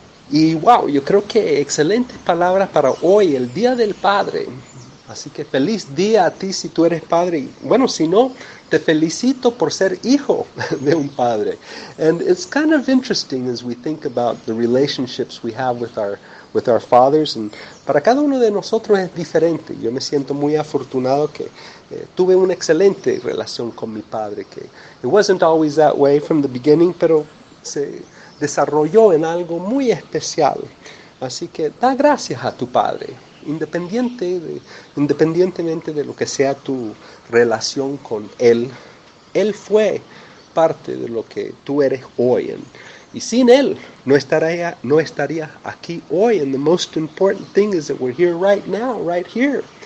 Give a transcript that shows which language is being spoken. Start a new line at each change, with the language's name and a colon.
Spanish: Y wow, yo creo que excelentes palabras para hoy, el Día del Padre. Así que feliz día a ti si tú eres padre. Bueno, si no, te felicito por ser hijo de un padre.
English: And it's kind of interesting as we think about the relationships we have with our fathers.
Spanish: And para cada uno de nosotros es diferente. Yo me siento muy afortunado que tuve una excelente relación con mi padre. Que
English: it wasn't always that way from the beginning,
Spanish: pero se desarrolló en algo muy especial. Así que da gracias a tu padre. Independientemente de lo que sea tu relación con él, él fue parte de lo que tú eres hoy. Y sin él, no estaría aquí hoy.
English: And the most important thing is that we're here right now, right here.